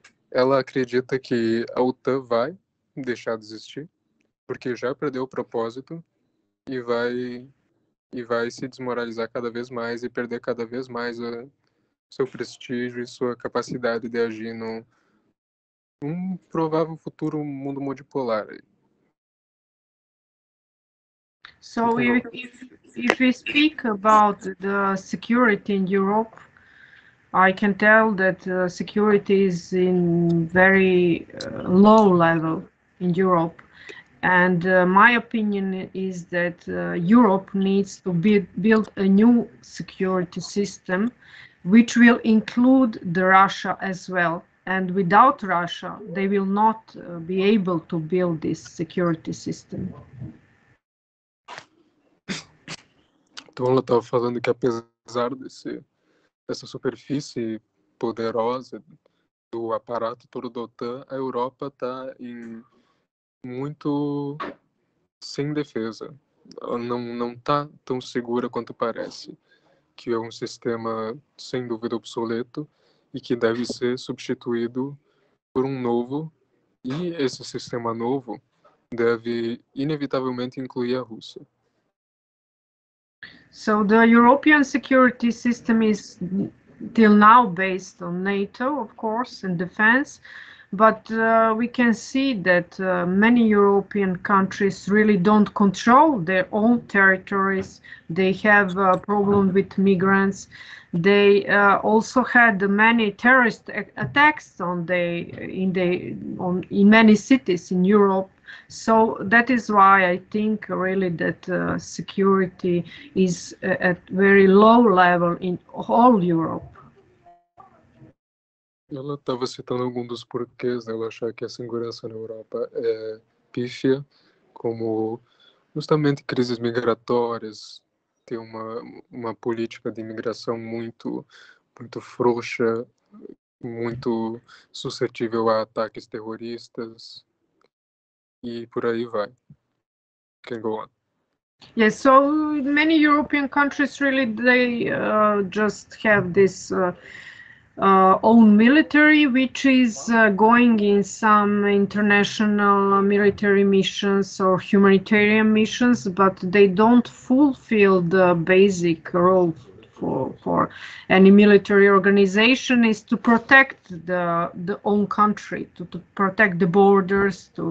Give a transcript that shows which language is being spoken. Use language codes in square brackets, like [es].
[pt] Ela acredita que a OTAN vai deixar de existir, porque já perdeu o propósito e vai se desmoralizar cada vez mais e perder cada vez mais o seu prestígio e sua capacidade de agir no um provável futuro mundo multipolar. [en] So if we speak about the security in Europe, I can tell that security is in very low level in Europe. And my opinion is that Europe needs to build a new security system, which will include the Russia as well. And without Russia, they will not be able to build this security system. [pt] Então, ela estava falando que apesar dessa superfície poderosa do aparato todo da OTAN, a Europa está em muito sem defesa. Ela não está tão segura quanto parece, que é um sistema sem dúvida obsoleto e que deve ser substituído por um novo, e esse sistema novo deve inevitavelmente incluir a Rússia. [en] So the European security system is till now based on NATO, of course, and defense, but we can see that many European countries really don't control their own territories. They have a problem with migrants. They also had many terrorist attacks in many cities in Europe. So that is why I think really that security is at very low level in all Europe. [pt] Ela estava citando alguns dos porquês dela achar que a segurança na Europa é pífia, como justamente crises migratórias, ter uma política de imigração muito, muito frouxa, muito suscetível a ataques terroristas. E por aí vai. [en] Can go on. Yes, so many European countries really they just have this own military, which is going in some international military missions or humanitarian missions, but they don't fulfill the basic role for any military organization is to protect the own country, to protect the borders,